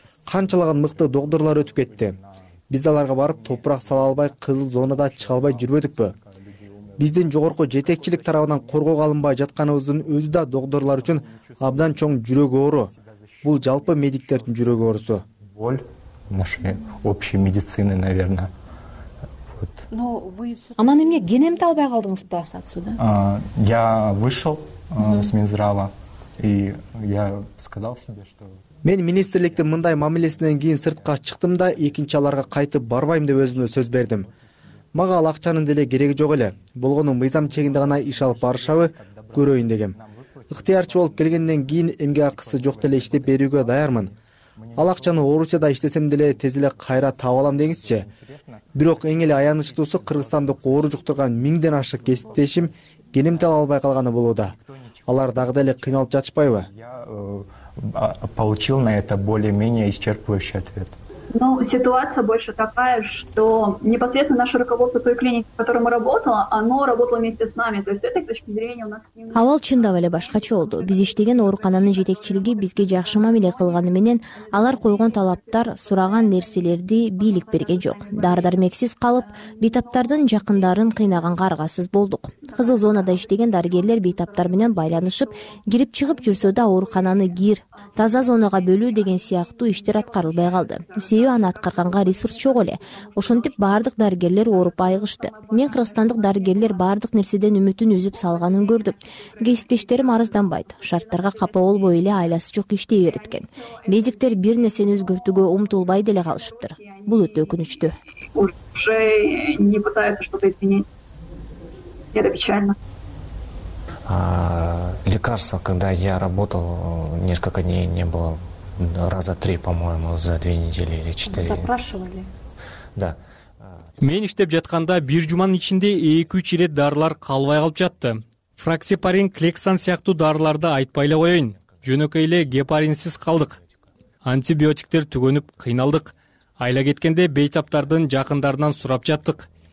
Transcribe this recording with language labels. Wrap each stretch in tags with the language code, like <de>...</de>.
<ky>Канчалаган мыкты доктурлар өтүп кетти. Биз аларга барып топурак сала албай, кызыл зонада чыга албай жүрбөдүкпү? Биздин жогорку жетекчилик тарабынан коргоого алынбай жатканыбыздын өзү да доктурлар үчүн абдан чоң жүрөк оору. Бул жалпы медиктердин жүрөк оорусу.</ky> <ru>Боль нашей общей медицины, наверное. Но вы всё.</ru> <ky>Анан эмне генемди албай калдыңыз ба</ky> <ru>отсюда? Я вышел с Минздрава, и я сказал себе, что</ru> <ky>мен министрликтин мындай мамилесинен кийин сыртка чыктым да, экинчи аларга кайтып барбайм деп өзүмө сөз бердим. Мага ал акчанын деле кереги жок эле. Болгону мыйзам чегинде гана иш алып барышабы, көрөйүн дегем. Ыктыярчы болуп келгенден кийин эмге акысы жок деле иштеп берүүгө даярмын. Ал акчаны Орусияда иштесем деле тез эле кайра таап алам деңизчи. Бирок эң эле аянычтуусу кыргызстандык оору жуктурган миңден ашык кесиптешим кенемди ала албай калганы болууда. Алар дагы деле кыйналып жатышпайбы?</ky> <ru>Получил на это более-менее исчерпывающий ответ. Ну, ситуация больше такая, что непосредственно наше руководство той клиники, в которой мы работала, оно работало вместе с нами. То есть с этой точки зрения у нас...</ru> <ky>Абал чындап эле башкача болду. Биз иштеген оорукананын жетекчилиги бизге жакшы мамиле кылганы менен алар койгон талаптар, сураган нерселерди бийлик берген жок. Дары-дармексиз калып, бейтаптардын жакындарын кыйнаганга аргасыз болдук. Кызыл зонада иштеген дарыгерлер бейтаптар менен байланышып, кирип чыгып жүрсө да оорукананы кир, таза зонага бөлүү деген сыяктуу иштер аткарылбай калды. Себеби аны аткарганга ресурс жок эле. Ошентип баардык дарыгерлер ооруп айыгышты. Мен кыргызстандык дарыгерлер баардык нерседен үмүтүн үзүп салганын көрдүм. Кесиптештерим арызданбайт, шарттарга капа болбой эле айласы жок иштей берет экен. Медиктер бир нерсени өзгөртүүгө умтулбай деле калышыптыр. Бул өтө өкүнүчтүү.</ky> <ru>Уже не пытается что-то изменить. Это печально. Лекарства, когда я работал, несколько дней не было. Раза три, по-моему, за две недели или четыре. Запрашивали? Да.</ru> <ky>Мен иштеп жатканда бир жуманын ичинде 2-3 ирет дарылар калбай калып жатты. Фраксипарин, клексан сыяктуу дарыларды айтпай эле коеюн. Жөнөкөй эле гепаринсиз калдык. Антибиотиктер түгөнүп кыйналдык. Айла кеткенде бейтаптардын жакындарынан сурап жаттык.</ky>